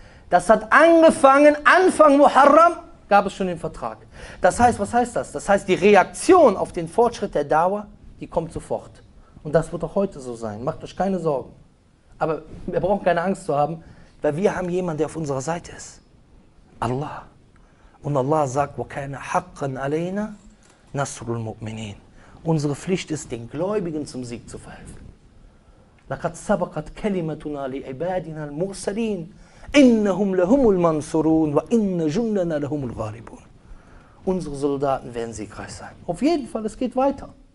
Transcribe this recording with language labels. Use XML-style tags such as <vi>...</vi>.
<de>Das hat angefangen, Anfang Muharram gab es schon den Vertrag. Das heißt, was heißt das? Das heißt, die Reaktion auf den Fortschritt der Dawa, die kommt sofort. Und das wird auch heute so sein. Macht euch keine Sorgen. Aber wir brauchen keine Angst zu haben, weil wir haben jemanden, der auf unserer Seite ist. Allah. Und Allah sagt,</de> <ar>وَكَانَ حَقًا عَلَيْنَا نَصْرُ الْمُؤْمِنِينَ.</ar> <de>Unsere Pflicht ist, den Gläubigen zum Sieg zu verhelfen.</de> <ar>لَقَدْ سَبَقَتْ كَلِمَتُنَا لِعِبَادِنَا الْمُرْسَلِينَ إِنَّهُمْ لَهُمُ الْمَنْصُرُونَ وَإِنَّ جُنَّنَا لَهُمُ الْغَالِبُونَ.</ar> <de>Unsere Soldaten werden siegreich sein. Auf jeden Fall, es geht weiter.</de>